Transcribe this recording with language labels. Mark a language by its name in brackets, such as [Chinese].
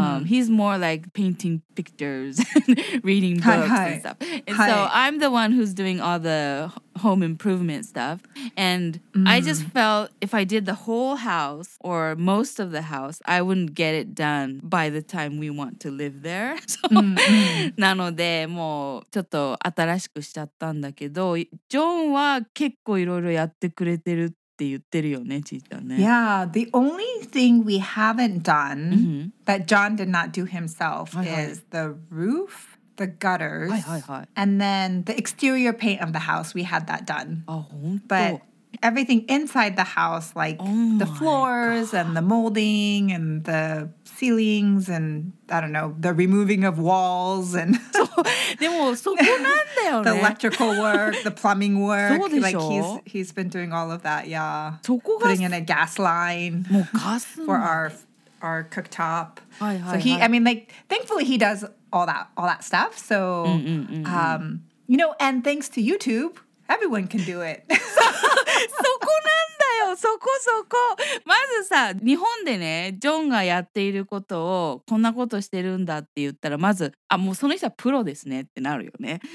[English] He's more like painting pictures, reading books and stuff. And so I'm the one who's doing all the home improvement stuff. And I just felt if I did the whole house or most of the house, I wouldn't get it done by the time we want to live there. [Japanese] So, なのでもうちょっと新しくしちゃったんだけど、ジョンは結構いろいろやってくれてる。 [English] Yeah, the only thing we haven't done that John did not do himself is the roof, the gutters, and then the exterior paint of the house. We had that done. But everything inside the house, like the floors and the molding and the ceilings and, I don't know, the removing of walls and the electrical work, the plumbing work. Like he's been doing all of that, yeah. Putting in a gas line for our cooktop. So he, I mean, like, thankfully he does all that stuff. So, you know, and thanks to YouTube, everyone can do it. [Japanese] そこなんだよそこそこ。まずさ、日本でね、ジョンがやっていることをこんなことしてるんだって言ったら、まずあ、もうその人はプロですねってなるよね。